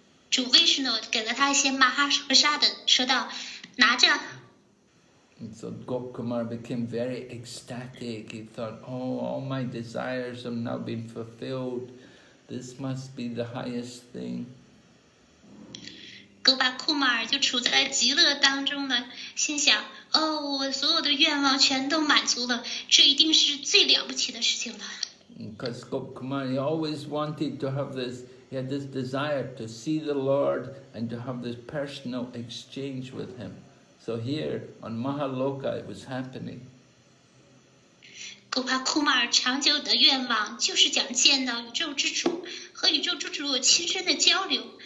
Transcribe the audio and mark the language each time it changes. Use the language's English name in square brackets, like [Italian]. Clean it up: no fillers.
[Chinese] 主 Vishnu 给了他一些 Mahaprasadam， 说道，拿着。 [English] And so Gop Kumar became very ecstatic. He thought, oh, all my desires have now been fulfilled. This must be the highest thing. [Chinese] Gop Kumar 就处在极乐当中了，心想，哦，我所有的愿望全都满足了，这一定是最了不起的事情了。 [English] Because Gop Kumar, he always wanted to have this. He had this desire to see the Lord and to have this personal exchange with Him. So here on Mahaloka it was happening. [Chinese] Gop Kumar 长久的愿望就是想见到宇宙之主和宇宙之主亲身的交流。